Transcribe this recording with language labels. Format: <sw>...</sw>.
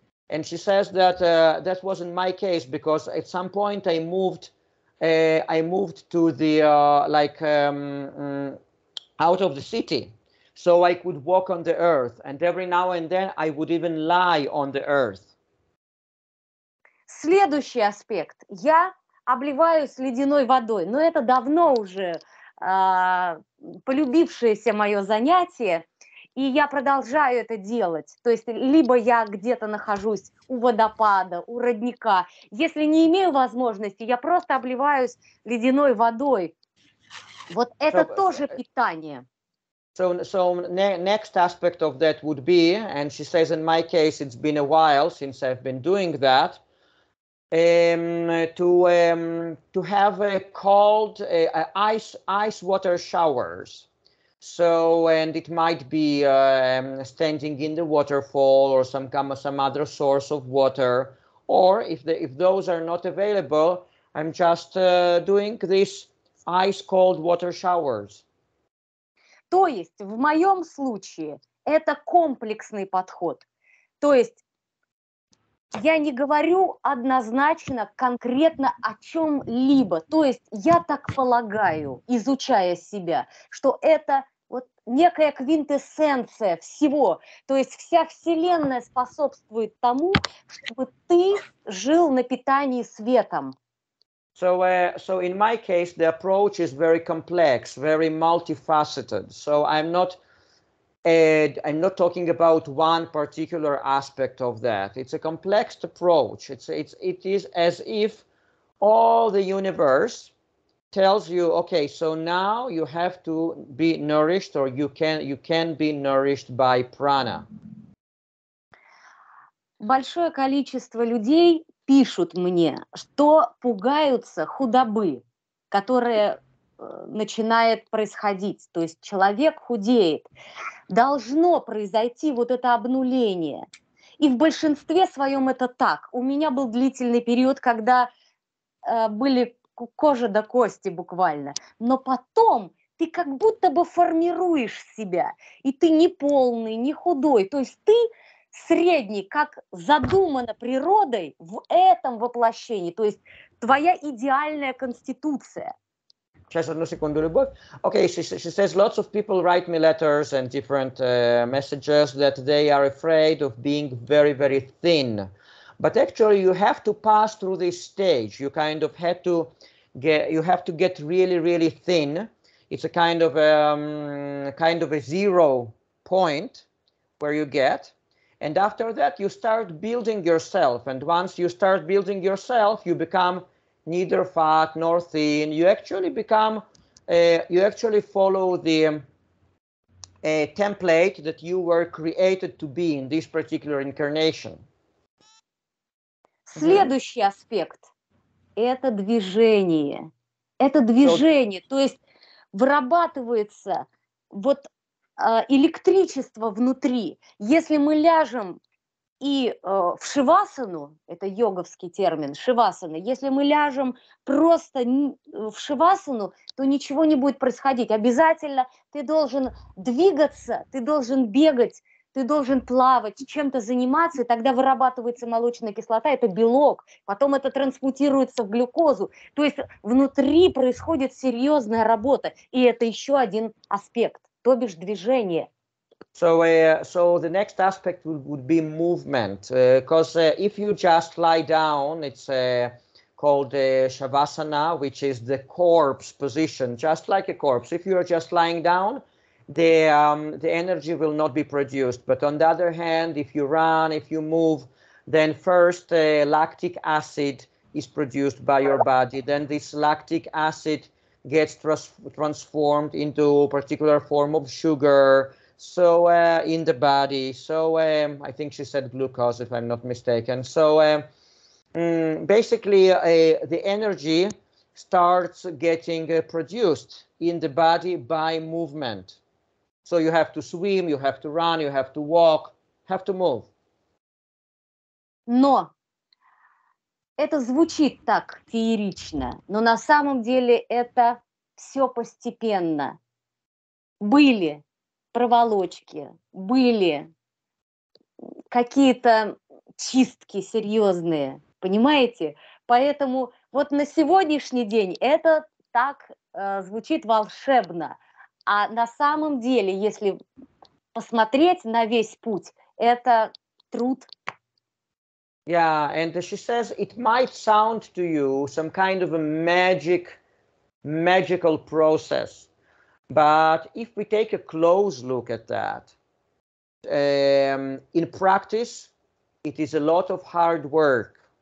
<en>And she says that that wasn't my case, because at some point I moved to the out of the city, so I could walk on the earth, and every now and then I would even lie on the earth.</en> <ru>Следующий аспект. Я обливаюсь ледяной водой, но это давно уже полюбившееся мое занятие. И я продолжаю это делать. То есть либо я где-то нахожусь у водопада, у родника. Если не имею возможности, я просто обливаюсь ледяной водой. Вот это тоже питание.</ru> <en>So next aspect of that would be, and she says in my case it's been a while since I've been doing that, to have a cold ice water showers. So, and it might be standing in the waterfall or some other source of water, or if those are not available, I'm just doing this ice cold water showers.</en> <ru>То есть в моем случае это комплексный подход. То есть я не говорю однозначно конкретно о чем-либо. То есть я так полагаю, изучая себя, что это некая квинтэссенция всего, то есть вся вселенная способствует тому, чтобы ты жил на питании светом.</ru> <en>So in my case the approach is very complex, very multifaceted. So I'm not talking about one particular aspect of that. It's a complex approach. It is as if all the universe tells you, okay, so now you have to be nourished, or you can be nourished by prana.</en> <ru>Большое количество людей пишут мне, что пугаются худобы, которая начинает происходить. То есть человек худеет. Должно произойти вот это обнуление. И в большинстве своем это так. У меня был длительный период, когда были кожа до кости буквально. Но потом ты как будто бы формируешь себя. И ты не полный, не худой. То есть ты средний, как задумано природой в этом воплощении. То есть твоя идеальная конституция. Сейчас, одну секунду, Любовь.</ru> <en>Okay, she says lots of people write me letters and different messages that they are afraid of being very, very thin. But actually, you have to pass through this stage. You kind of had to get, you have to get really, really thin. It's a kind of a zero point where you get. And after that, you start building yourself. And once you start building yourself, you become neither fat nor thin. You actually become, you actually follow the template that you were created to be in this particular incarnation.</en> <ru>Следующий аспект – это движение. Это движение, то есть вырабатывается вот электричество внутри. Если мы ляжем и в шивасану, это йоговский термин, шивасана, если мы ляжем просто в шивасану, то ничего не будет происходить. Обязательно ты должен двигаться, ты должен бегать, ты должен плавать, чем-то заниматься, и тогда вырабатывается молочная кислота, это белок, потом это трансмутируется в глюкозу. То есть внутри происходит серьезная работа, и это еще один аспект, то бишь движение.</ru> <en>So the next aspect would be movement, because if you just lie down, it's called shavasana, which is the corpse position, just like a corpse. If you are just lying down, the energy will not be produced. But on the other hand, if you run, if you move, then first lactic acid is produced by your body. Then this lactic acid gets transformed into a particular form of sugar. So in the body, so I think she said glucose, if I'm not mistaken. So basically, the energy starts getting produced in the body by movement. So you have to swim, you have to run, you have to walk, have to move.</en> <ru>Но это звучит так феерично, но на самом деле это все постепенно. Были проволочки, были какие-то чистки серьезные, понимаете? Поэтому вот на сегодняшний день это так звучит волшебно. А на самом деле, если посмотреть на весь путь, это труд.</ru> <en>Yeah, and she says it might sound to you some kind of a magical process. But if we take a close look at that, in practice, it is a lot of hard work.</en>